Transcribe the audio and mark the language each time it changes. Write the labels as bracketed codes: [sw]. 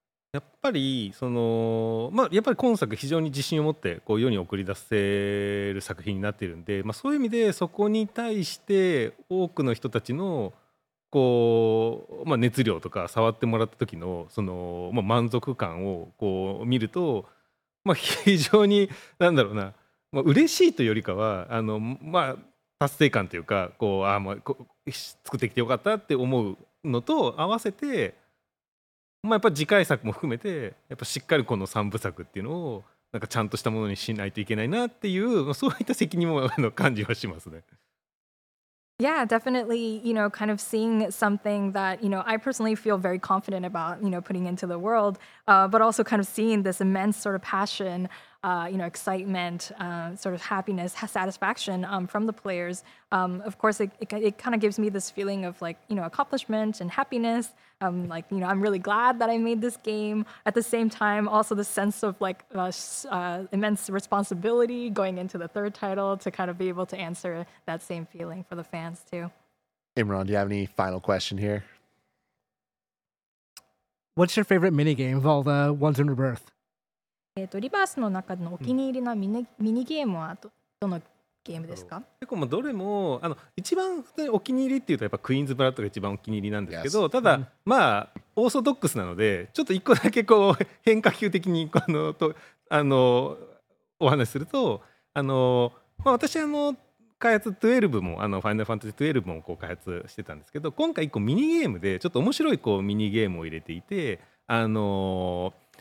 [ja] やっぱりその、まあ、やっぱり今作非常に自信を持ってこう世に送り出せる作品になっているんで、まあ、そういう意味でそこに対して多くの人たちのこう、まあ、熱量とか触ってもらった時 の, その、まあ、満足感をこう見ると、まあ、非常に何だろうな、まあ、嬉しいというよりかはあの、まあ、達成感というかこう、あ、まあ、こう作ってきてよかったって思うのと合わせて、まあ、やっぱ次回作も含めてやっぱしっかりこの3部作っていうのをなんかちゃんとしたものにしないといけないなっていう、そういった責任もあの感じはしますね。 [en] Yeah, definitely, you know, kind of seeing something that, you know, I personally feel very confident about, you know, putting into the world, but also kind of seeing this immense sort of passion, you know, excitement, sort of happiness, satisfaction from the players. Of course, it kind of gives me this feeling of like, you know, accomplishment and happiness. Like, you know, I'm really glad that I made this game. At the same time, also the sense of like immense responsibility going into the third title to kind of be able to answer that same feeling for the fans too. Imran, do you have any final question here? What's your favorite mini game of all the ones in Rebirth? [ja] リバースの中でのお気に入りのミニゲームは どのゲームですか。結構まあどれもあの一番お気に入りっていうとやっぱクイーンズブラッドが一番お気に入りなんですけど、ただ、まあオーソドックスなのでちょっと一個だけこう変化球的にこのとあのお話しすると、あの、まあ、私あの開発12もあのファイナルファンタジー12もこう開発してたんですけど、今回一個ミニゲームでちょっと面白いこうミニゲームを入れていて、あの